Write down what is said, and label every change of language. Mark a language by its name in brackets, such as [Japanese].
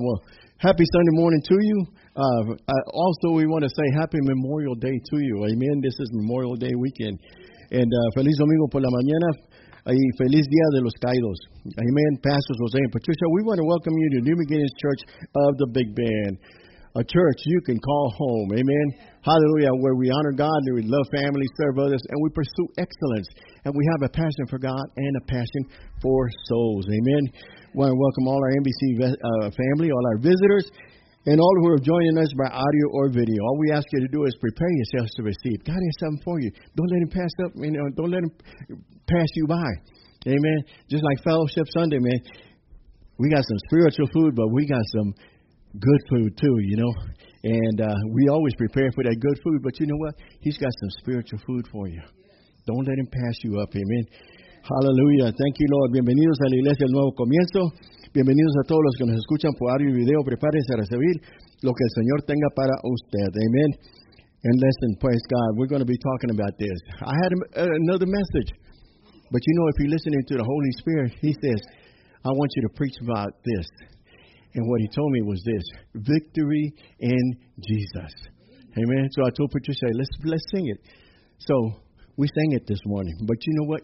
[English] Well, happy Sunday morning to you. Also, we want to say happy Memorial Day to you. Amen. This is Memorial Day weekend. [Spanish] And feliz domingo por la mañana y feliz día de los caídos. [English] Amen. Pastors Jose and Patricia, we want to welcome you to New Beginnings Church of the Big Bend, a church you can call home. Amen. Hallelujah, where we honor God and we love family, serve others, and we pursue excellence. And we have a passion for God and a passion for souls. Amen. We want to welcome all our NBC family, all our visitors, and all who are joining us by audio or video. All we ask you to do is prepare yourselves to receive. God has something for you. Don't let him pass up. You know, don't let him pass you by. Amen. Just like Fellowship Sunday, man, we got some spiritual food, but we got some good food too, you know. And we always prepare for that good food, but you know what? He's got some spiritual food for you. Don't let him pass you up. Amen. Hallelujah. Thank you, Lord. [Spanish] Bienvenidos a la Iglesia del Nuevo Comienzo. Bienvenidos a todos los que nos escuchan por audio y video. Prepárense a recibir lo que el Señor tenga para usted. [English] Amen. And listen, praise God. We're going to be talking about this. I had another message. But you know, if you're listening to the Holy Spirit, he says, I want you to preach about this. And what he told me was this. Victory in Jesus. Amen. So I told Patricia, let's sing it. So we sang it this morning, but you know what?